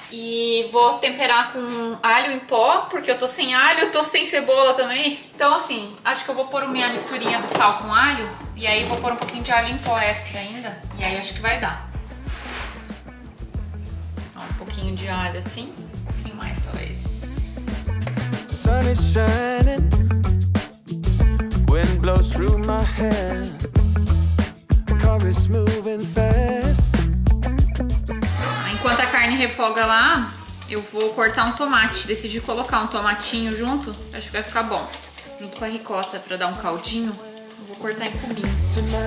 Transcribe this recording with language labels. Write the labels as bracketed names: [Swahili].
[Portuguese] E vou temperar com alho em pó, porque eu tô sem alho, tô sem cebola também. Então assim, acho que eu vou pôr minha misturinha do sal com alho, e aí vou pôr um pouquinho de alho em pó extra ainda, e aí acho que vai dar. Um pouquinho de alho assim, um pouquinho mais talvez. [English] Sun is shining, wind blows through my hair, car is moving fast. [Portuguese] Enquanto a carne refoga lá, eu vou cortar um tomate. Decidi colocar um tomatinho junto, acho que vai ficar bom. Junto com a ricota, pra dar um caldinho, eu vou cortar em cubinhos.